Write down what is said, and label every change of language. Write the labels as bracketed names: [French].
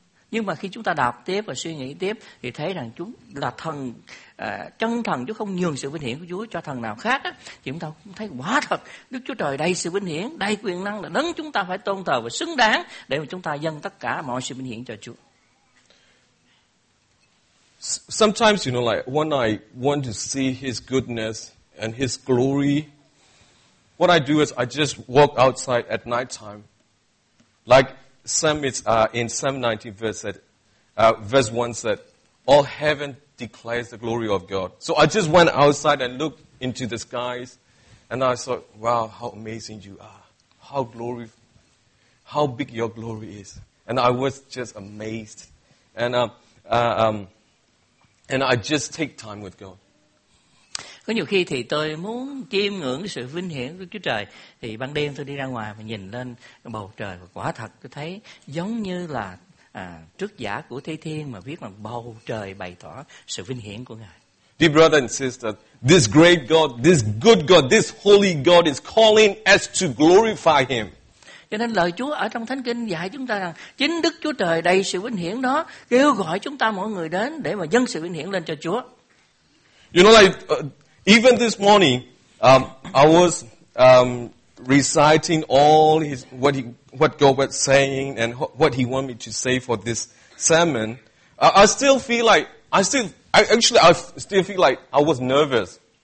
[Vietnamese] Nhưng mà khi chúng ta đọc tiếp và suy nghĩ tiếp thì thấy rằng chúng là thần, chân thần, chứ không nhường sự vinh hiển của Chúa cho thần nào khác á, thì chúng ta cũng thấy quá thật. Đức Chúa Trời đầy sự vinh hiển, đầy quyền năng là đấng chúng ta phải tôn thờ và xứng đáng để mà chúng ta dâng tất cả mọi sự vinh hiển cho Chúa. [English] Sometimes, you know, like when I want to see his goodness and his glory, what I do is I just walk outside at night time. Like in Psalm 19, verse 1 said, all heaven declares the glory of God. So I just went outside and looked into the skies, and I thought, wow, how amazing you are. How big your glory is. And I was just amazed. And I just take time with God. [Vietnamese] Có nhiều khi thì tôi muốn chiêm ngưỡng sự vinh hiển của Chúa Trời, thì ban đêm tôi đi ra ngoài và nhìn lên bầu trời, và quả thật tôi thấy giống như là trước giả của Thế Thiên mà viết là bầu trời bày tỏ sự vinh hiển của Ngài. [English] Dear brother and sister, this great God, this good God, this holy God is calling us to glorify him. [Vietnamese] Cho nên lời Chúa ở trong Thánh Kinh dạy chúng ta rằng chính Đức Chúa Trời đầy sự vinh hiển đó kêu gọi chúng ta mọi người đến để mà dâng sự vinh hiển lên cho Chúa. [English] You know, like even this morning, I was reciting all his what God was saying and what he wanted me to say for this sermon. I still feel like I was nervous.